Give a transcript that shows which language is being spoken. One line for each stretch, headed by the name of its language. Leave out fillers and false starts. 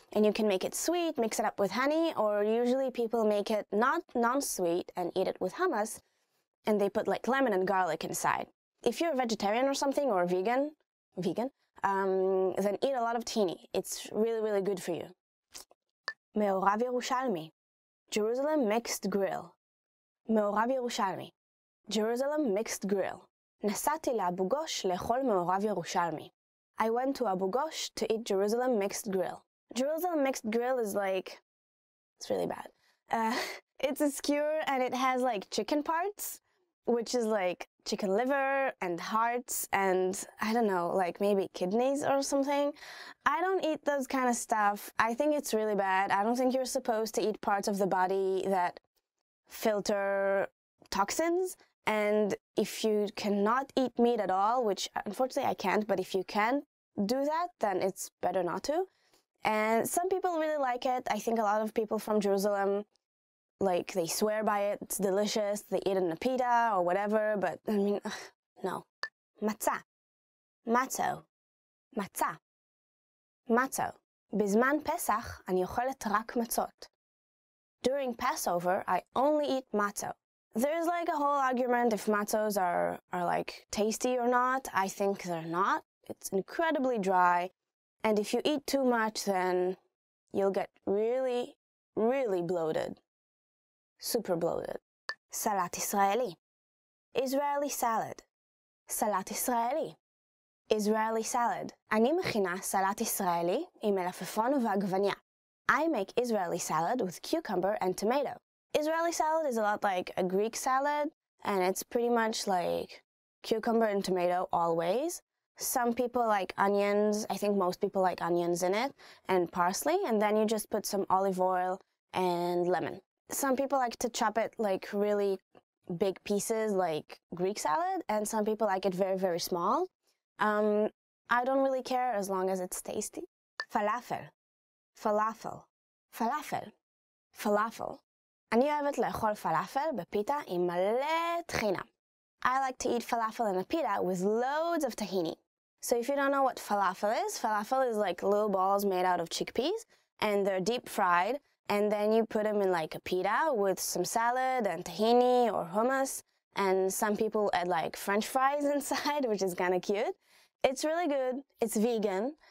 English: And you can make it sweet, mix it up with honey, or usually people make it not non-sweet and eat it with hummus, and they put like lemon and garlic inside. If you're a vegetarian or something, or vegan, then eat a lot of tahini. It's really, really good for you. מעורב ירושלמי, Jerusalem Mixed Grill. מעורב ירושלמי, Jerusalem Mixed Grill.
Hebrew: נסעתי לאבו גוש לאכול מעורב ירושלמי.
English: I went to Abu Ghosh to eat Jerusalem Mixed Grill. Jerusalem Mixed Grill is like, it's really bad. It's a skewer and it has like chicken parts, which is like chicken liver and hearts and I don't know, like maybe kidneys or something. I don't eat those kind of stuff. I think it's really bad. I don't think you're supposed to eat parts of the body that filter toxins. And if you cannot eat meat at all, which unfortunately I can't, but if you can do that, then it's better not to. And some people really like it. I think a lot of people from Jerusalem, like they swear by it, it's delicious, they eat it in a pita or whatever, but I mean, no. Matzah. Matzo. Matzah. Matzo.
Hebrew: Bizman Pesach, אני אוכלת רק מצות.
English: During Passover, I only eat matzo. There's like a whole argument if matzos are like tasty or not. I think they're not. It's incredibly dry. And if you eat too much, then you'll get really, really bloated. Super bloated. Salat Israeli. Israeli salad. Salat Israeli. Israeli salad.
Hebrew: אני מכינה salat Israeli עם מלפפון ועגבניה.
English: I make Israeli salad with cucumber and tomato. Israeli salad is a lot like a Greek salad, and it's pretty much like cucumber and tomato always. Some people like onions. I think most people like onions in it, and parsley, and then you just put some olive oil and lemon. Some people like to chop it like really big pieces, like Greek salad, and some people like it very, very small. I don't really care as long as it's tasty. Falafel. Falafel. Falafel. Falafel.
Hebrew: אני אוהבת לאכול falafel בפיטה עם מלא טחינה.
English: I like to eat falafel in a pita with loads of tahini. So if you don't know what falafel is like little balls made out of chickpeas, and they're deep fried, and then you put them in like a pita with some salad and tahini or hummus, And some people add like French fries inside, which is kind of cute. It's really good. It's vegan.